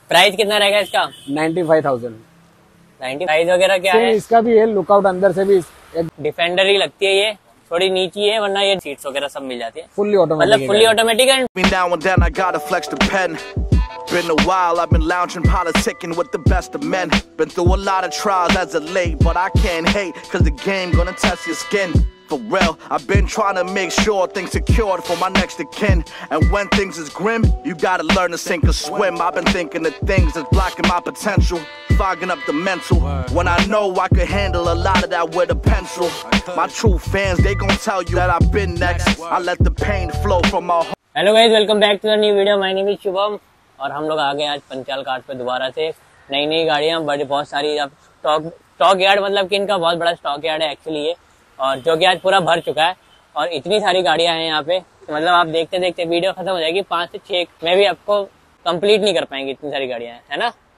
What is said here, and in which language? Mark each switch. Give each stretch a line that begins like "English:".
Hindi: Price कितना रहेगा इसका? 95,000 प्राइस वगैरह क्या है? इसका भी है लुकआउट, अंदर से भी डिफेंडर ही लगती है ये, थोड़ी नीची है वरना ये सीट्स वगैरह सब मिल जाती है। फुल्ली ऑटोमेटिक, मतलब फुल्ली ऑटोमेटिक है।
English: Been down and then I gotta flex the pen. Been a while, I've been lounging, politicking with the best of men. Been through a lot of trials as of late, but I can't hate, cause the game gonna test your skin. For real, I've been trying to make sure things secured for my next of kin. And when things is grim, you gotta learn to sink or swim. I've been thinking of things that's blocking my potential, fogging up the mental. When I know I could handle a lot of that with a pencil. My true fans, they gonna tell you that I've been next. I let the pain flow from my heart. Hello guys, welcome back to the new video. My name is Shubham.
Hindi: और हम लोग आ गए आज पंचाल घाट पे दोबारा से। नई नई गाड़ियाँ बड़ी बहुत सारी, अब स्टॉक यार्ड मतलब कि इनका बहुत बड़ा स्टॉक यार्ड है एक्चुअली ये, और जो कि आज पूरा भर चुका है। और इतनी सारी गाड़ियाँ हैं यहाँ पे, मतलब आप देखते देखते वीडियो खत्म हो जाएगी, 5 से 6 में भी आपको कम्प्लीट नहीं कर पाएंगे इतनी सारी गाड़ियाँ है ना।